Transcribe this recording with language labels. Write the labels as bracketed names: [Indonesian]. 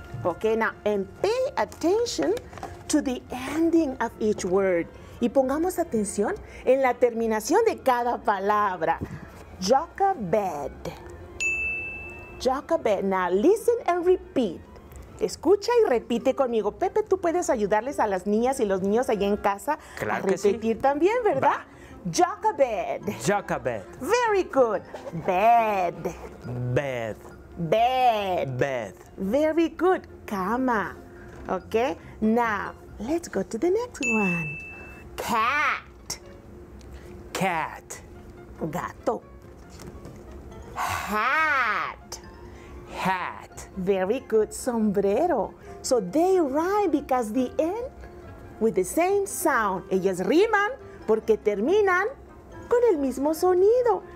[English] Okay, now, and pay attention to the ending of each word. [Spanish] Y pongamos atención en la terminación de cada palabra. [English] Jochebed. Jochebed. Now, listen and repeat. [Spanish] Escucha y repite conmigo. Pepe, tú puedes ayudarles a las niñas y los niños allá en casa claro a repetir sí. también, ¿verdad? Jochebed. [English] Jochebed. Very good. Bed. Bed. Bed. Bed. Very good. Cama. Okay. Now, let's go to the next one. Cat. Cat. Gato. Hat. Hat. Very good. Sombrero. So they rhyme because the end with the same sound. [Spanish] Ellas riman porque terminan con el mismo sonido.